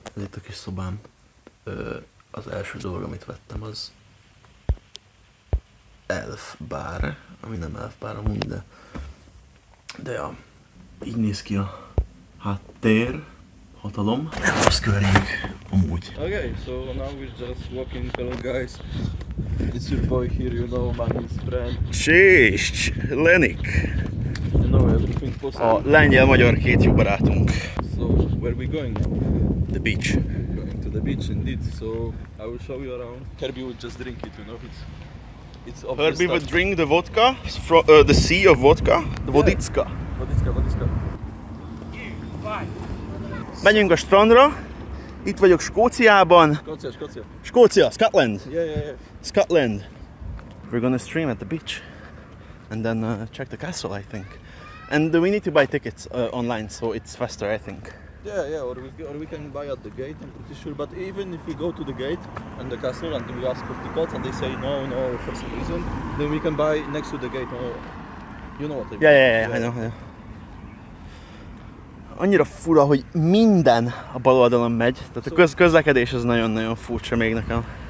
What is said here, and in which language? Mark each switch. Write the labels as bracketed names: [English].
[Hungarian] Ez itt a kis szobám. Az első dolog, amit vettem, az elf bár, ami nem elf bár amúgy, de ja, így néz ki a háttér, hatalom, elfos környék, amúgy. [English] Okay, so now we're just walking fellow guys. It's your boy here, you know, my his friend. Csíst, Lenik. You know everything possible. [Hungarian] A lengyel-magyar két jó barátunk. [English] So, where are we going? The beach. The beach indeed, so I will show you around. Herbie would just drink it, you know, it's obvious. Herbie would drink the vodka, from the sea of vodka, the voditska. Voditska. [Hungarian] Menjünk a strandra, itt vagyok Skóciában. Skócia. Skócia, Scotland. [English] Yeah. Scotland. We're gonna stream at the beach and then check the castle, I think. And we need to buy tickets online, so it's faster, I think. Yeah, or we can buy at the gate, I'm pretty sure, but even if we go to the gate and the castle and we ask for tickets and they say no, for some reason, then we can buy next to the gate, or, you know what I mean. Yeah. I know, yeah. [Hungarian] Annyira fura, hogy minden a bal oldalon megy, tehát a közlekedés az nagyon-nagyon furcsa még nekem.